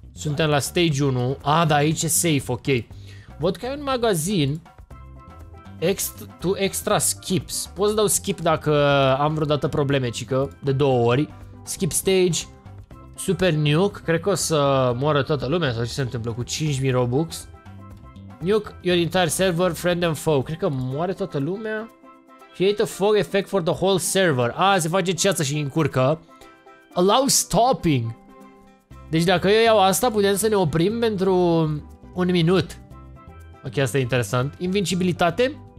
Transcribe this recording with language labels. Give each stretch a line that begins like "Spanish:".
Romanian: Suntem la stage 1. Ah, da, aici e safe, ok. Văd că ai un magazin...
English: extra skips.
Romanian: Pot să dau skip dacă am vreodată probleme, cică, de două ori. Skip stage, super nuke. Cred că o să moară toată lumea sau ce se întâmplă cu 5.000 Robux.
English: Nuke your entire server, friend and foe.
Romanian: Cred că moare toată lumea.
English: Create a fog effect for the whole server.
Romanian: A, se face ceață și încurcă.
English: Allow stopping.
Romanian: Deci dacă eu iau asta, putem să ne oprim pentru un minut. Ok, asta e interesant. Invincibilitate?